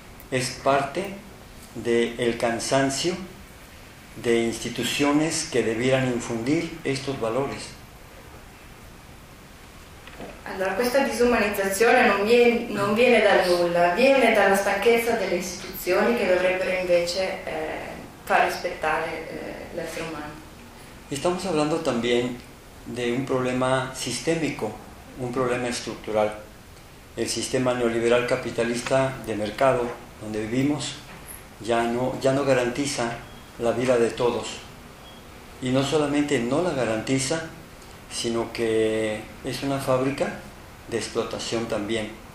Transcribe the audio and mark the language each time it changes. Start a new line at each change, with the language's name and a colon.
Spanish: Es parte del cansancio de instituciones que debieran infundir estos valores.
Italian: Allora, questa disumanizzazione non viene dal nulla, viene dalla stanchezza delle istituzioni che dovrebbero invece far rispettare l'essere umano.
Spanish: Estamos hablando también de un problema sistémico, un problema estructural. El sistema neoliberal capitalista de mercado donde vivimos ya no garantiza la vida de todos, y no solamente no la garantiza, sino que es una fábrica de explotación también.